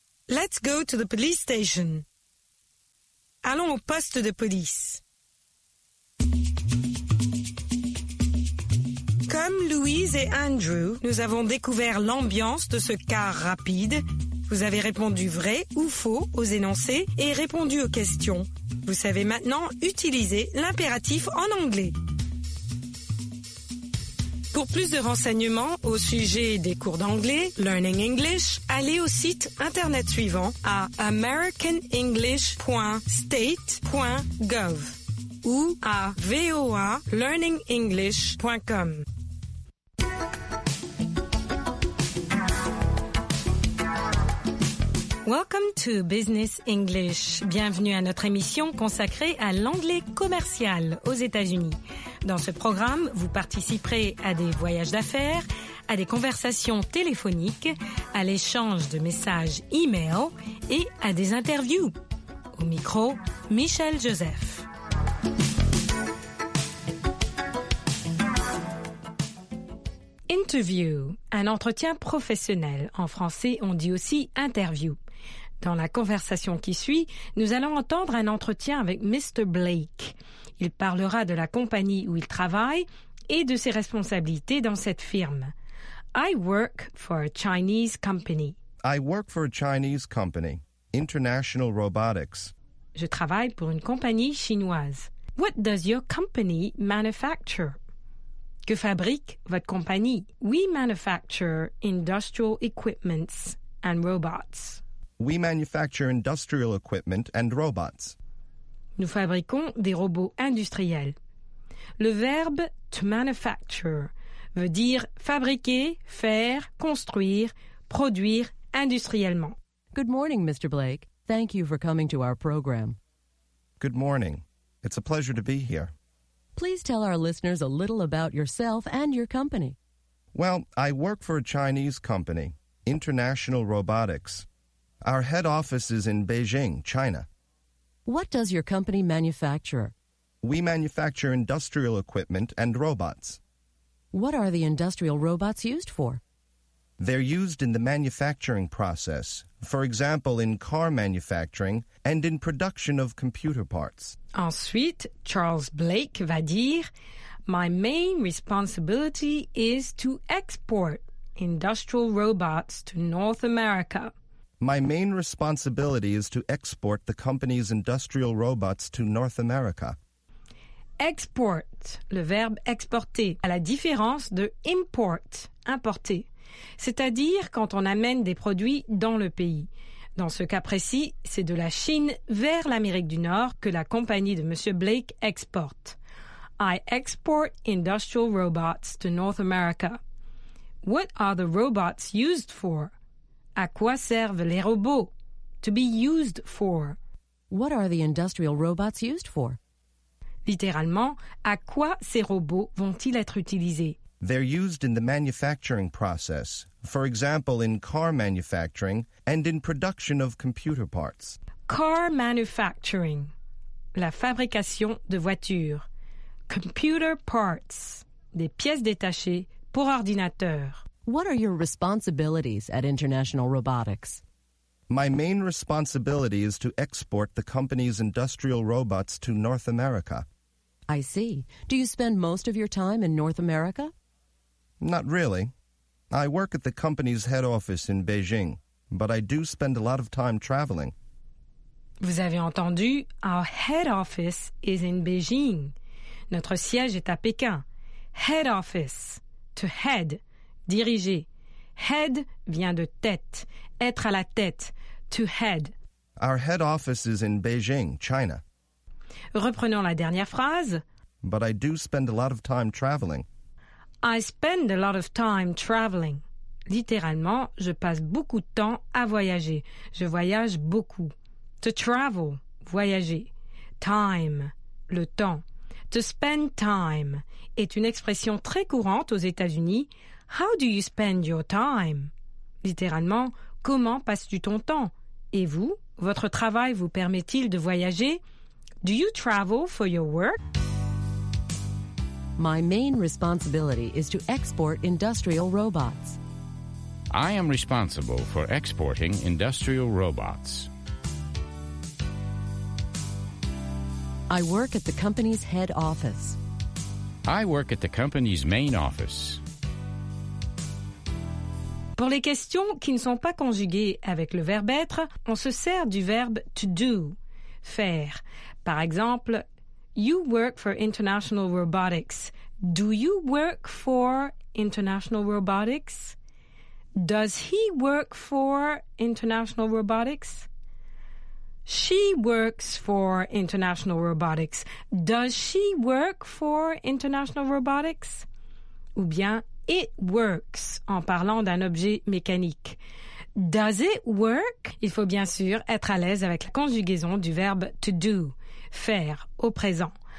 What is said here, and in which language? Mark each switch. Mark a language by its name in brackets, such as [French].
[English] Let's go to the police station. [French] Allons au poste de police. Comme Louise et Andrew, nous avons découvert l'ambiance de ce car rapide. Vous avez répondu vrai ou faux aux énoncés et répondu aux questions. Vous savez maintenant utiliser l'impératif en anglais. Pour plus de renseignements au sujet des cours d'anglais, Learning English, allez au site internet suivant à americanenglish.state.gov ou à voalearningenglish.com. [English] Welcome to Business English. [French] Bienvenue à notre émission consacrée à l'anglais commercial aux États-Unis. Dans ce programme, vous participerez à des voyages d'affaires, à des conversations téléphoniques, à l'échange de messages e-mail et à des interviews. Au micro, Michel Joseph. Interview, un entretien professionnel. En français, on dit aussi interview. Dans la conversation qui suit, nous allons entendre un entretien avec Mr. Blake. Il parlera de la compagnie où il travaille et de ses responsabilités dans cette firme. [English] I work for a Chinese company. I work for a Chinese company, International Robotics. [French] Je travaille pour une compagnie chinoise. [English] What does your company manufacture? [French] Que fabrique votre compagnie? [English] We manufacture industrial equipments and robots. We manufacture industrial equipment and robots. [French] Nous fabriquons des robots industriels. Le verbe to manufacture veut dire fabriquer, faire, construire, produire industriellement. [English] Good morning, Mr. Blake. Thank you for coming to our program. Good morning. It's a pleasure to be here. Please tell our listeners a little about yourself and your company. Well, I work for a Chinese company, International Robotics. Our head office is in Beijing, China. What does your company manufacture? We manufacture industrial equipment and robots. What are the industrial robots used for? They're used in the manufacturing process, for example, in car manufacturing and in production of computer parts. [French] Ensuite, Charles Blake va dire, [English] My main responsibility is to export industrial robots to North America. My main responsibility is to export the company's industrial robots to North America. [French] Export, le verbe exporter, à la différence de import, importer, c'est-à-dire quand on amène des produits dans le pays. Dans ce cas précis, c'est de la Chine vers l'Amérique du Nord que la compagnie de M. [English] Blake [French] exporte. [English] I export industrial robots to North America. What are the robots used for? [French] À quoi servent les robots? [English] To be used for. What are the industrial robots used for? [French] Littéralement, à quoi ces robots vont-ils être utilisés? [English] They're used in the manufacturing process. For example, in car manufacturing and in production of computer parts. Car manufacturing. [French] La fabrication de voitures. [English] Computer parts. [French] Des pièces détachées pour ordinateur. [English] What are your responsibilities at International Robotics? My main responsibility is to export the company's industrial robots to North America. I see. Do you spend most of your time in North America? Not really. I work at the company's head office in Beijing, but I do spend a lot of time traveling. [French] Vous avez entendu, [English] our head office is in Beijing. [French] Notre siège est à Pékin. [English] Head office, to head. [French] Diriger. Head vient de tête. Être à la tête. [English] To head. Our head office is in Beijing, China. [French] Reprenons la dernière phrase. [English] But I do spend a lot of time traveling. I spend a lot of time traveling. [French] Littéralement, je passe beaucoup de temps à voyager. Je voyage beaucoup. [English] To travel, [French] voyager. [English] Time, [French] le temps. [English] To spend time [French] est une expression très courante aux États-Unis. [English] How do you spend your time? [French] Littéralement, comment passes-tu ton temps? Et vous, votre travail vous permet-il de voyager? [English] Do you travel for your work? My main responsibility is to export industrial robots. I am responsible for exporting industrial robots. I work at the company's head office. I work at the company's main office. [French] Pour les questions qui ne sont pas conjuguées avec le verbe être, on se sert du verbe to do, faire. Par exemple, [English] you work for International Robotics. Do you work for International Robotics? Does he work for International Robotics? She works for International Robotics. Does she work for International Robotics? [French] Ou bien, [English] it works, [French] en parlant d'un objet mécanique. [English] Does it work? [French] Il faut bien sûr être à l'aise avec la conjugaison du verbe to do, faire, au présent.